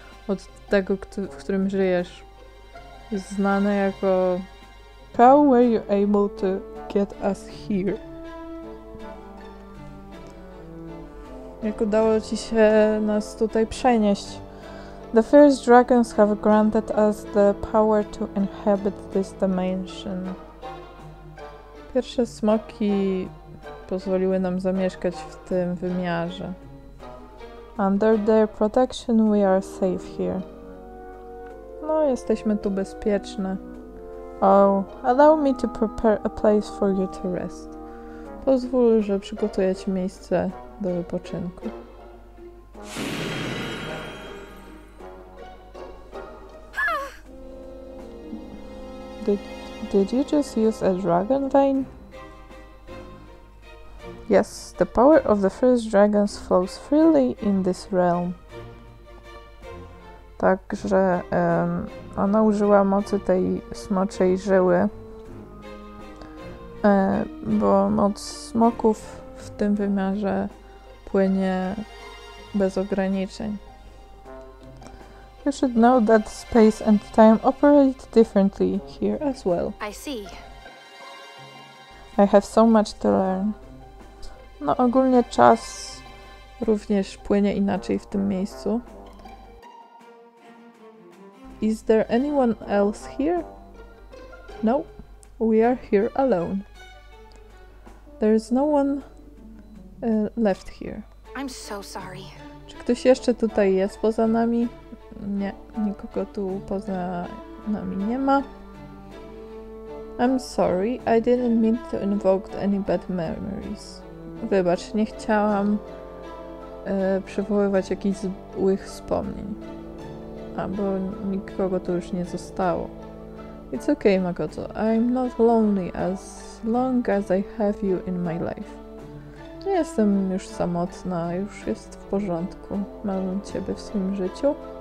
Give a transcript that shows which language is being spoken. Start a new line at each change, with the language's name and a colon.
Polish: od tego, w którym żyjesz, jest znane jako...
English: How were you able to get us here?
Polish: Jak udało ci się nas tutaj przenieść?
English: The first dragons have granted us the power to inhabit this dimension.
Polish: Pierwsze smoki pozwoliły nam zamieszkać w tym wymiarze.
English: Under their protection we are safe here.
Polish: No, jesteśmy tu bezpieczne.
English: Oh, allow me to prepare a place for you to rest.
Polish: Pozwól, że przygotuję ci miejsce do wypoczynku.
English: Did you just use a dragon vein? Yes, the power of the first dragons flows freely in this realm.
Polish: Także ona użyła mocy tej smoczej żyły, bo moc smoków w tym wymiarze płynie bez ograniczeń.
English: You should know that space and time operate differently here as well. I see. I have so much to learn.
Polish: No, ogólnie czas również płynie inaczej w tym miejscu.
English: Is there anyone else here? No, we are here alone. There is no one left here. I'm so sorry.
Polish: Czy ktoś jeszcze tutaj jest poza nami? Nie, nikogo tu poza nami nie ma.
English: I'm sorry, I didn't mean to invoke any bad memories.
Polish: Wybacz, nie chciałam przywoływać jakichś złych wspomnień. Bo nikogo tu już nie zostało.
English: It's okay, Makoto. I'm not lonely as long as I have you in my life.
Polish: Nie jestem już samotna, już jest w porządku. Mam ciebie w swoim życiu.